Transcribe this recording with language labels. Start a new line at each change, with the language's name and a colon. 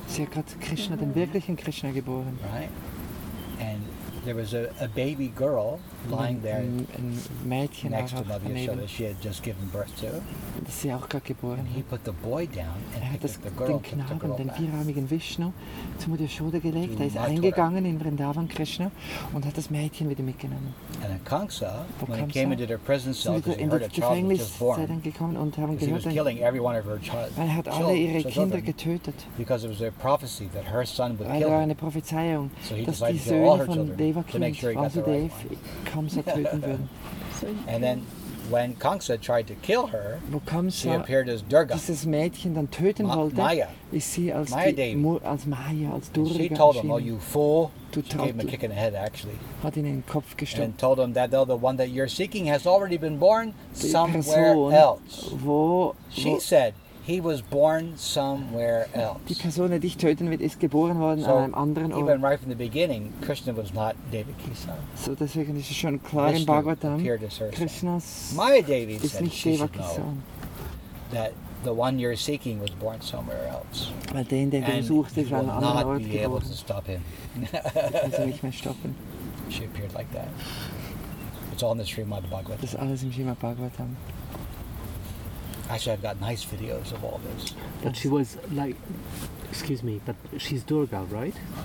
German: Sie hat gerade Krishna, den wirklichen Krishna, geboren.
English: Right? And there was a baby girl lying there next to Mother Yashoda, she had just given birth to. And he put the boy down and And Kamsa, when he came into their prison cell, he heard a child was just born. Because he was killing every one of her children. Because it was a prophecy that her son would kill him. So he decided to kill all her children. To make sure he got the right one. And then when Kamsa tried to kill her, she appeared as Durga. Maya Devi. She told him, oh, you fool. She gave him a kick in the head, actually. And told him that though the one that you're seeking has already been born somewhere else. She said, he was born somewhere else.
German: Die Person, die dich töten wird, ist geboren worden an einem anderen Ort.
English: Even right from the beginning, Krishna was not Devaki's son.
German: So deswegen ist es schon klar im Bhagavatam.
English: Krishna's Maya Devi said, you should know that the one you're seeking was born somewhere else.
German: Weil den, den du suchst, ist an einem anderen Ort geboren.
English: And you will not be able to stop him.
German: Kannst du nicht mehr stoppen.
English: She appeared like that. It's all in the Srimad Bhagavatam.
German: Das ist alles im Srimad Bhagavatam.
English: Actually, I've got nice videos of all this. But she was like, excuse me, but she's Durga, right?